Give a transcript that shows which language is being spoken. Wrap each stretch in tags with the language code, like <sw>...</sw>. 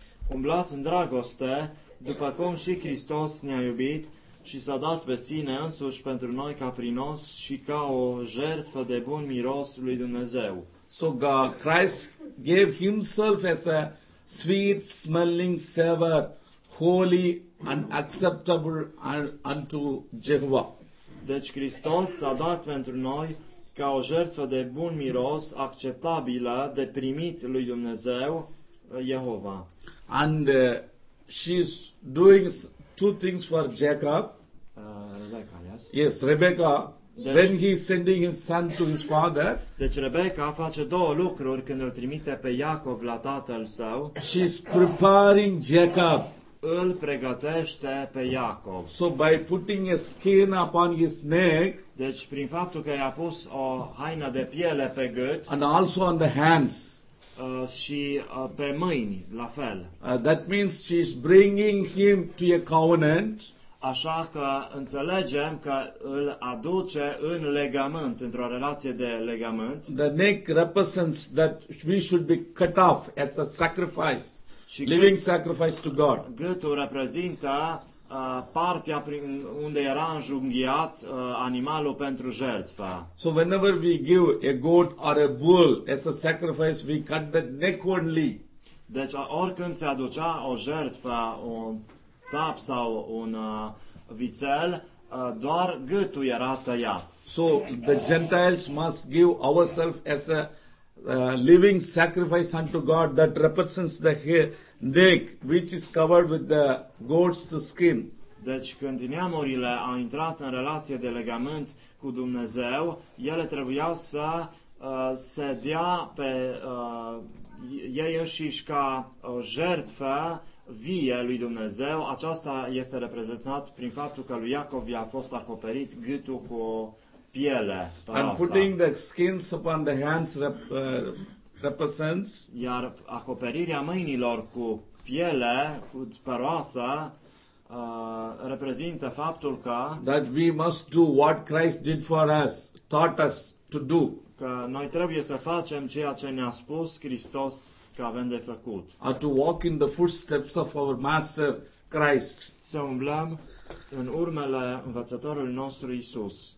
<ro>Umblați în dragoste, după cum și Hristos ne-a iubit și s-a dat pe sine însuși pentru noi ca prinos și ca o jertfă de bun miros lui Dumnezeu.</ro> <en>So God, Christ gave himself as a sweet smelling savor, holy and acceptable unto Jehovah.</en> <ro>Deci Hristos s-a dat pentru noi ca o jertfă de bun miros, acceptabilă, de primit lui Dumnezeu, Jehova.</ro> <en>And she's doing two things for Jacob. Rebecca, yes. Yes, Rebecca, deci, when he is sending his son to his father.</en> <ro>Deci Rebecca face două lucruri când îl trimite pe Iacov la tatăl său.</ro> <en>She is preparing Jacob.</en> <ro>Îl pregătește pe Iacov.</ro> <en>So by putting a skin upon his neck.</en> <ro>Deci prin faptul că i-a pus o haină de piele pe gât.</ro> <en>And also on the hands.</en> <ro>Și pe mâini, la fel.</ro> <en>That means she is bringing him to a covenant.</en> <ro>Așa că înțelegem că îl aduce în legământ, într-o relație de legământ.</ro> <en>The neck represents that we should be cut off as a sacrifice, living sacrifice to God.</en> <ro>Gâtul reprezintă partea prin unde era înjunghiat animalul pentru jertfă.</ro> <en>So whenever we give a goat or a bull as a sacrifice, we cut the neck only.</en> <ro>Deci oricând se aducea o jertfă, un țap sau un vițel, doar gâtul era tăiat.</ro> <en>So the Gentiles must give ourselves as a living sacrifice unto God that represents the neck which is covered with the goat's skin.</en> <ro>Deci când neamurile au intrat în relație de legământ cu Dumnezeu, ele trebuiau să se dea pe ei înșiși ca jertfă vie lui Dumnezeu, aceasta este reprezentat prin faptul că lui Iacov i-a fost acoperit gâtul cu piele.</ro> <en>And putting the skins upon the hands represents.</en> <ro>Iar acoperirea mâinilor cu piele, cu păroasă, reprezintă faptul că</ro> <en>that we must do what Christ did for us, taught us to do.</en> <ro>Că noi trebuie să facem ceea ce ne-a spus Hristos că avem de făcut.</ro> <en>To walk in the footsteps of our Master Christ.</en> <ro>Să umblăm în urmele învățătorului nostru Isus.</ro>